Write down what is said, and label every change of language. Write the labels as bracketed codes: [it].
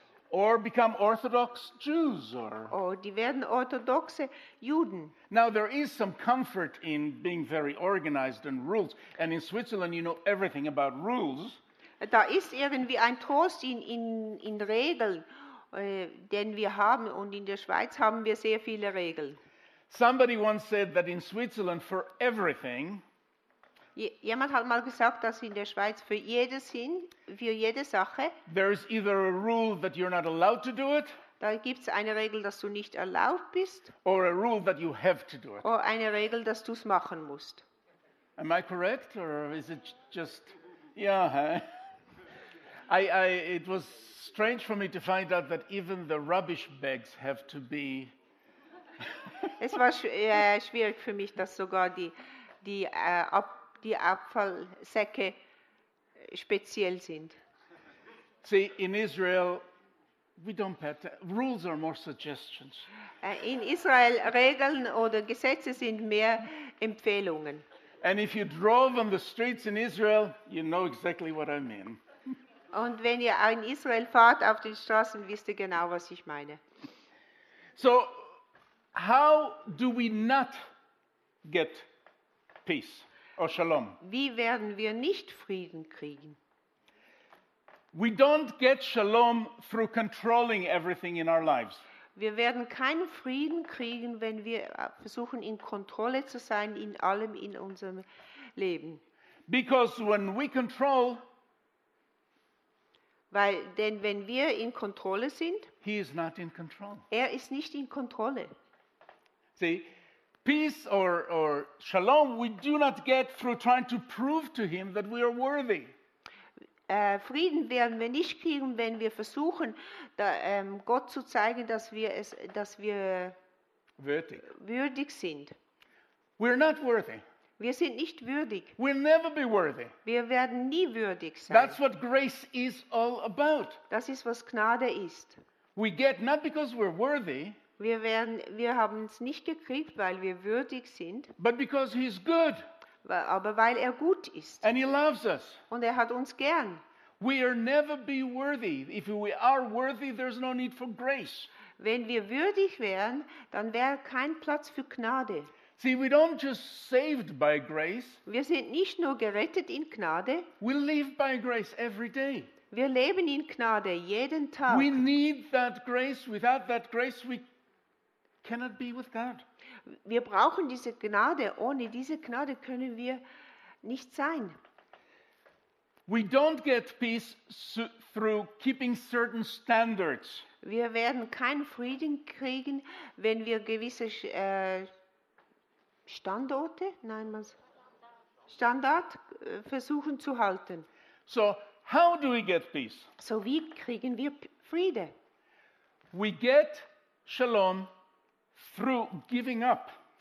[en] Or become Orthodox Jews. Or. [de] Oh, die werden orthodoxe Juden. [en] Now there is some comfort in being very organized and rules. And in Switzerland you know everything about rules. [de] Da ist irgendwie ein Trost in Regeln, den wir haben. Und in der Schweiz haben wir sehr viele Regeln. [en] Somebody once said that in Switzerland for everything, [de] Jemand hat mal gesagt, dass in der Schweiz für jedes hin, für jede Sache, [en] there is either a rule that you're not allowed to do it, [de] da gibt es eine Regel, dass du nicht erlaubt bist, [en] or a rule that you have to do it, [de] oder eine Regel, dass du es machen musst. [en] Am I correct or is it just, yeah? I it was strange for me to find out that even the rubbish bags have to be. [de] Es war schwierig für mich, dass sogar die Abfallsäcke speziell sind. [en] See, in Israel, we don't pay rules are more suggestions. [de] In Israel Regeln oder Gesetze sind mehr Empfehlungen. [en] And if you drove on the streets in Israel, you know exactly what I mean. [de] Und wenn ihr in Israel fahrt auf den Straßen, wisst ihr genau, was ich meine. [en] So, how do we not get peace or shalom? [de] Wie werden wir nicht Frieden kriegen? [en] We don't get shalom through controlling everything in our lives. [de] Wir werden keinen Frieden kriegen, wenn wir versuchen, in Kontrolle zu sein in allem in unserem Leben. [en] Because when we control, [de] weil, denn wenn wir in Kontrolle sind, [en] he is not in control. [de] Er ist nicht in Kontrolle. [en] See, peace or shalom, we do not get through trying to prove to him that we are worthy. [de] Frieden werden wir nicht kriegen, wenn wir versuchen, Gott zu zeigen, dass wir würdig sind. [en] We're not worthy. [de] Wir sind nicht würdig. [en] We'll never be worthy. [de] Wir werden nie würdig sein. [en] That's what grace is all about. [de] Das ist, was Gnade ist. [en] We get not because we're worthy. [de] Wir haben es nicht gekriegt, weil wir würdig sind. [en] But because he's good. [de] Aber weil er gut ist. [en] And he loves us. [de] Und er hat uns gern. [en] We are never be worthy. If we are worthy, there's no need for grace. [de] Wenn wir würdig wären, dann wäre kein Platz für Gnade. [en] See, we don't just saved by grace. [de] Wir sind nicht nur gerettet in Gnade. [en] We live by grace every day. [de] Wir leben in Gnade jeden Tag. [en] We need that grace. Without that grace, we cannot be with God. [de] Wir brauchen diese Gnade. Ohne diese Gnade können wir nicht sein. [en] We don't get peace through keeping certain standards. [de] Wir werden keinen Frieden kriegen, wenn wir gewisse Standard versuchen zu halten. [en] So, how do we get peace? [de] So, wie kriegen wir Friede? [en] We get shalom through giving up.